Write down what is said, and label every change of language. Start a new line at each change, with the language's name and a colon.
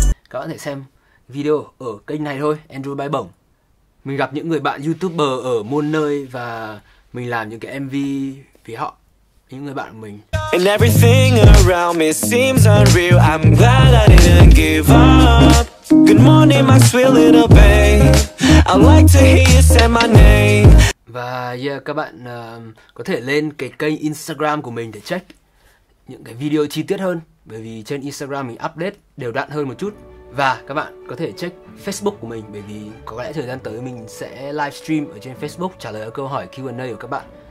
Vietnamese: Các bạn có thể xem video ở kênh này thôi, Andrew Bay Bổng. Mình gặp những người bạn YouTuber ở muôn nơi và mình làm những cái MV vì họ, những người bạn của mình.
English: And everything around me seems unreal. I'm glad I didn't give up. Good morning my sweet little babe. I'd like to hear you say my name.
Vietnamese: Và yeah, các bạn có thể lên cái kênh Instagram của mình để check những cái video chi tiết hơn, bởi vì trên Instagram mình update đều đặn hơn một chút. Và các bạn có thể check Facebook của mình, bởi vì có lẽ thời gian tới mình sẽ livestream ở trên Facebook trả lời câu hỏi Q&A của các bạn.